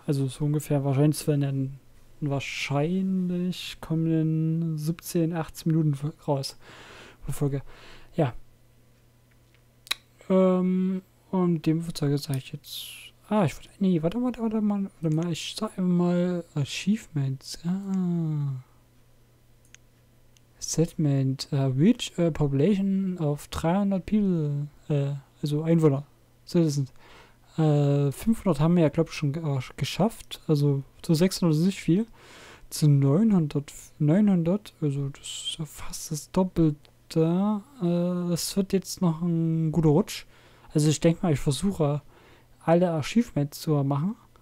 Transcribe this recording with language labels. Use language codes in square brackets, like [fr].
[de] Also so ungefähr wahrscheinlich zu nennen. Wahrscheinlich kommen in 17, 18 Minuten raus. Folge. Ja. Und dem Verzeiger sage ich jetzt. Ah, ich wollte. Nee, warte mal. Ich sage immer mal Achievements. Ah. Settlement. [en] Reach a population of 300 people. [de] Also Einwohner. Citizens. 500 haben wir ja, glaube ich, schon geschafft. Also zu 600 ist nicht viel. Zu 900, also das ist ja fast das Doppelte. Es wird jetzt noch ein guter Rutsch. Also ich denke mal, ich versuche, alle Archivmates zu machen.